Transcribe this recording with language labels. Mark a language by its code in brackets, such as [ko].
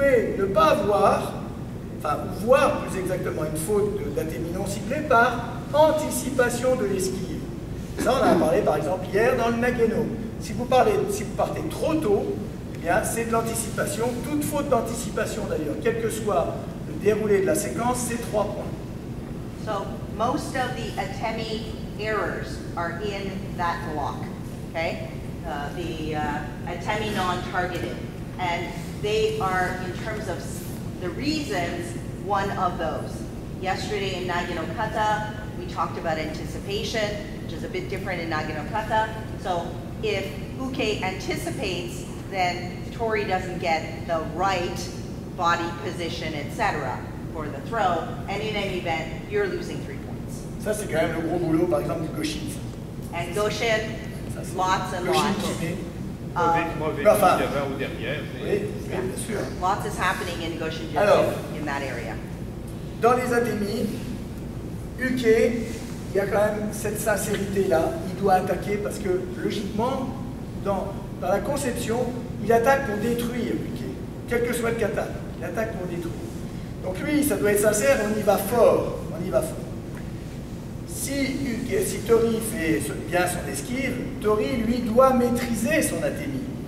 [fr] pouvez ne pas avoir, enfin voir plus exactement une faute d'atterminant ciblé par anticipation de l'esquive. Ça, on en a parlé par exemple hier dans le Nageno. Si vous partez trop tôt, eh bien, c'est de l'anticipation. Toute faute d'anticipation d'ailleurs, quel que soit le déroulé de la séquence, c'est 3 points. [en] So, most of the Atemi errors are in that block, okay? The Atemi non-targeted. And they are, in terms of the reasons, one of those. Yesterday in Nagino Kata, we talked about anticipation, which is a bit different in Nagino Kata. So, if Uke anticipates, then Tori doesn't get the right body position, etc. for the throw, and in any event, you're losing 3 points. [fr] Ça, c'est quand même le gros boulot, par exemple, du Goshin. [en] And Goshin, lots and Goshin, lots. Goshin, [fr] mauvais coup d'avant ou derrière. Oui, bien sûr. [en] Lots is happening in Goshin Jutsu, in that area. [fr] Dans les Atemi, Uke, il y a quand même cette sincérité-là. Il doit attaquer parce que, logiquement, dans la conception, il attaque pour détruire Uke, quel que soit le kata, il attaque pour détruire. Donc lui, ça doit être sincère, on y va fort, on y va fort. Si Tori fait bien son esquive, Tori, lui, doit maîtriser son Atemi.